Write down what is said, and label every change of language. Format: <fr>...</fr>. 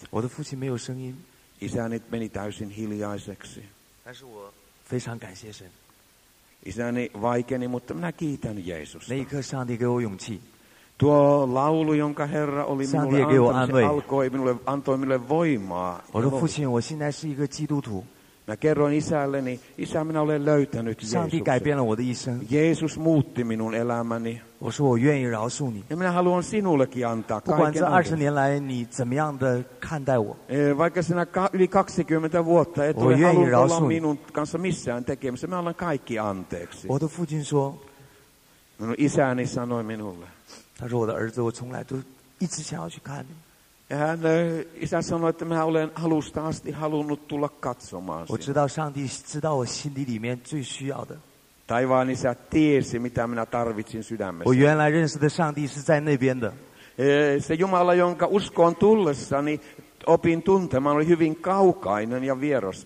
<zh>我的父亲没有声音.</zh> <fi>Isäni meni täysin hiljaiseksi.</fi> <zh>但是我非常感谢神.</zh> <fi>Isäni vaikeni, mutta minä kiitän Jeesusta.</fi> <zh>那一刻上帝给我勇气.</zh> <fi>Tuo laulu, jonka Herra oli minulle antanut, alkoi minulle, antoi minulle voimaa.</fi> <zh>我的父亲我现在是一个基督徒.</zh> <fi>Mä kerroin isälleni, isä, minä olen löytänyt Jeesuksen. Jeesus muutti minun elämäni.</fi> <zh>我说我愿意饶恕你.</zh> <fi>Ja minä haluan sinullekin antaa kaiken. Vaikka sinä yli 20 vuotta et ole halunnut olla minun kanssa missään tekemisessä, minä annan kaikki anteeksi.</fi> <zh>我的父亲说,</zh> <fi>minun isäni sanoi minulle.</fi> <zh>他说我的儿子我从来都一直想要去看你.</zh> <fi>Ja hän, isä sanoi, että minä olen alusta asti halunnut tulla katsomaan sinua. Taivaan isä tiesi, mitä minä tarvitsin sydämessäni. Se Jumala, jonka uskoon tullessani opin tuntemaan, oli hyvin kaukainen ja vieras</fi>